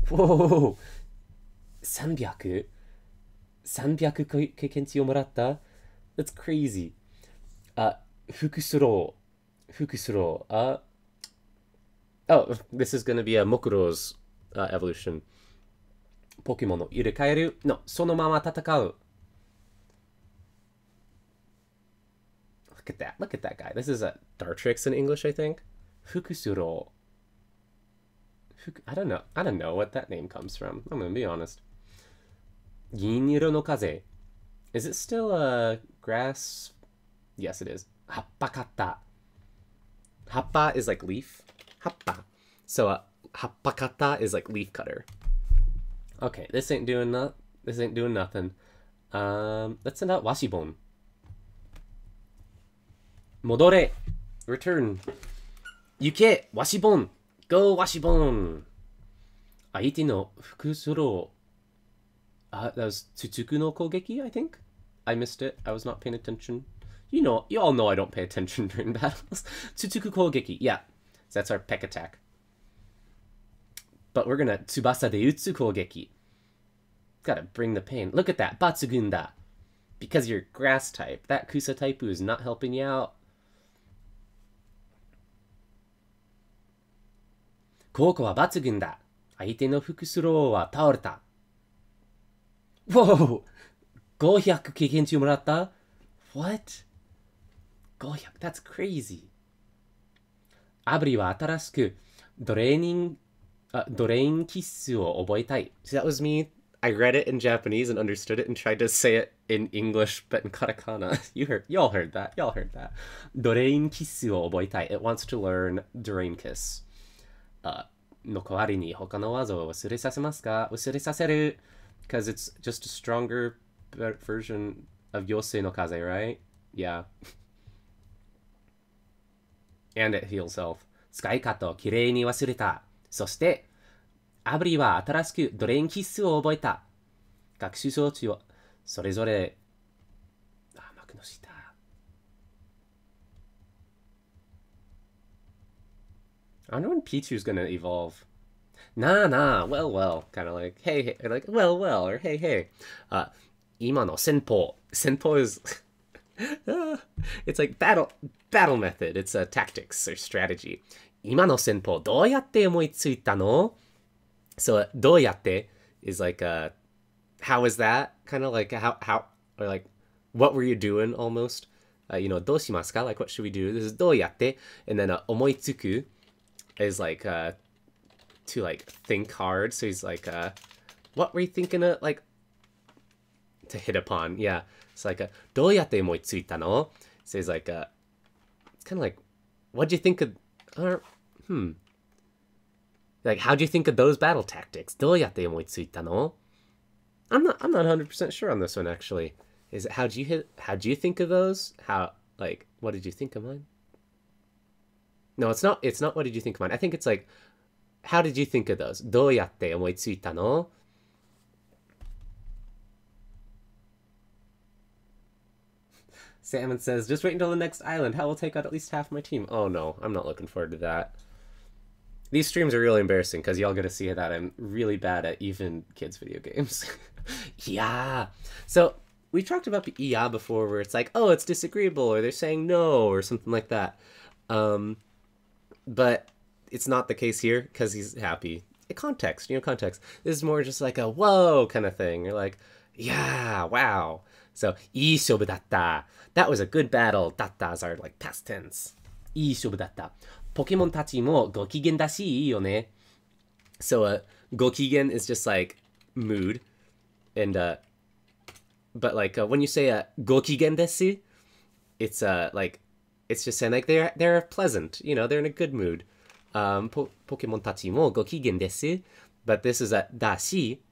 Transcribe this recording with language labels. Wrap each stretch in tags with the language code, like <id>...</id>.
<ja>ーウォー300経験値をもらった</ja> <en>That's crazy. This is going to be a Mokuro's evolution.</en> <ja>ポケモンの入れ替える</ja> <en>No,</en> <ja>そのまま戦う。</ja> <en>Look at that guy. This is a Dartrix in English, I think.</en> <ja>Fukusuro.</ja> <en>I don't know what that name comes from. I'm going to be honest.</en> <ja>銀色の風.</ja> <en>Is it still a grass? Yes, it is.</en> <ja>葉っぱ買った.</ja> <en>葉っぱ is like leaf. 葉っぱ.So,</en> <ja>葉っぱ買った</ja> <en>is like leaf cutter. Okay, this ain't doing nothing. Let's send out Washibon.</en> <ja>戻れ</ja> <en>Return</en> <ja>行けワシボン</ja> <en>Go</en> <ja>ワシボン相手のフクスロ</ja> <en>ー That was</en> <ja>ツツクの攻撃</ja> <en>I think I missed it I was not paying attention You know You all know I don't pay attention during battles</en> <ja>ツツク攻撃</ja> <en>Yeah That's our peck attack But we're gonna</en> <ja>ツバサで打つ攻撃</ja> <en>Gotta bring the pain Look at that</en> <ja>抜群だ</ja> <en>Because you're grass type That Kusa type is not helping you out</en> <ja>ここは抜群だ。相手のフクスローは倒れた。</ja> <en>Whoa!</en> <ja>500経験値をもらった</ja> <en>What? 500? That's crazy.</en> <ja>アブリは新しくドレインキッスを覚えたい。</ja> <en>See, that was me. I read it in Japanese and understood it and tried to say it in English, but in katakana. Y'all heard that.</en> <ja>ドレインキッスを覚えたい。</ja> <en>It wants to learn ドレインキッス。</en> <ja>の代わりに他の技を忘れさせますか忘れさせる</ja> <en>Because it's just a stronger version of</en> <ja>妖精の風</ja> <en>right? Yeah And it heals health</en> <ja>使い方をきれいに忘れたそしてアブリは新しくドレインキッスを覚えた学習装置をそれぞれあ甘くのした</ja> <en>I wonder when Pichu's gonna evolve. Nah, nah, well, well. Kind of like, hey, hey, or like, well, well, or hey, hey.</en> <ja>今の戦法。</ja> <en>戦法is... it's like battle method. It's a tactics or strategy.</en> <ja>今の戦法、どうやって思いついたの?</ja> <en>So,</en> <ja>どうやって</ja> <en>is like, how is that? Kind of like, how, or like, what were you doing almost? You know,</en> <ja>どうしますか?</ja> <en>Like, what should we do? This is</en> <ja>どうやって?</ja> <en>And then,</en> <ja>思いつく。</ja> <en>Is like, to like, think hard. So he's like, what were you thinking of, like, to hit upon? Yeah. It's like,</en> <ja>どうやって思いついたの?</ja> <en>So he's like, it's kind of like, what'd you think of, or, Like, how'd you think of those battle tactics?</en> <ja>どうやって思いついたの?</ja> <en>I'm not 100% sure on this one, actually. Is it, how'd you think of those? How, like, what did you think of mine? No, it's not what did you think of mine. I think it's like, how did you think of those? どうやって思いついたの? Salmon says, just wait until the next island. How will take out at least half my team? Oh no, I'm not looking forward to that. These streams are really embarrassing because y'all get to see that I'm really bad at even kids' video games. Yeah. So we talked about the IA before where it's like, oh, it's disagreeable or they're saying no or something like that. But it's not the case here because he's happy. Context. This is more just like a whoa kind of thing. You're like, yeah, wow. So,</en> <ja>いい勝負だった.</ja> <en>That was a good battle. だった is our like past tense.</en> <ja>いい勝負だった. ポケモンたちもご機嫌だしいいよね.</ja> <en>So, ご機嫌 is just like mood. And, but like when you say</en> <ja>ご機嫌だし,</ja> <en>it's like,It's just saying, like, they're pleasant. You know, they're in a good mood.</en> <ja>Pokemon たちもご機嫌です。</ja> <en>But this is a だし.</en>